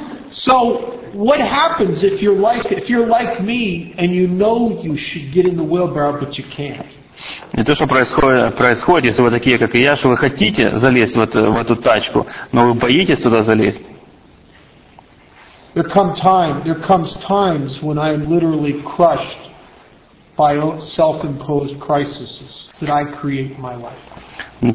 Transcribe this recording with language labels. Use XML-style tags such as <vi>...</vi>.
<en>So, what happens if you're like me, and you know you should get in the wheelbarrow, but you can't?</en> <ru>И то, что происходит, если вы такие, как и я, что вы хотите залезть в эту тачку, но вы боитесь туда залезть.</ru> <en>There comes times when I am literally crushed by self-imposed crises that I create in my life.</en>